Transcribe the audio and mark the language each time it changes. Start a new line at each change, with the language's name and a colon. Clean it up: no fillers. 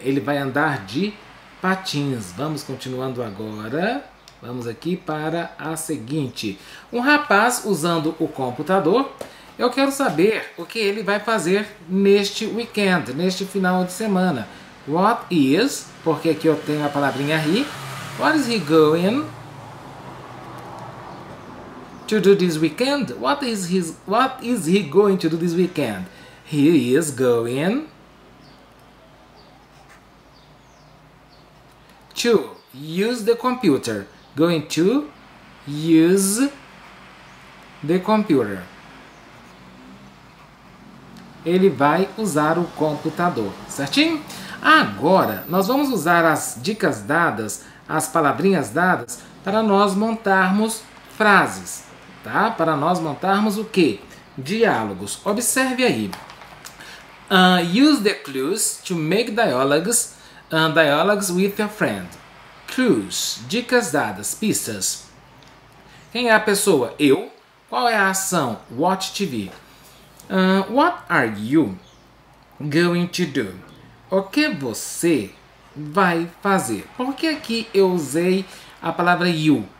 Portuguese: Ele vai andar de patins. Vamos continuando agora. Vamos aqui para a seguinte. Um rapaz usando o computador. Eu quero saber o que ele vai fazer neste weekend, neste final de semana.
English: What is...
Portuguese: Porque aqui eu tenho a palavrinha he.
English: What is he going to do this weekend? What is he going to do this weekend? He is going to use the computer. Going to use the computer.
Portuguese: Ele vai usar o computador, certinho? Agora, nós vamos usar as dicas dadas, as palavrinhas dadas, para nós montarmos frases, tá? Para nós montarmos o quê? Diálogos. Observe aí.
English: Use the clues to make dialogues, dialogues with your friend.
Portuguese: Clues, dicas dadas, pistas. Quem é a pessoa? Eu. Qual é a ação?
English: Watch TV. What are you going to do?
Portuguese: O que você vai fazer? Por que aqui eu usei a palavra you?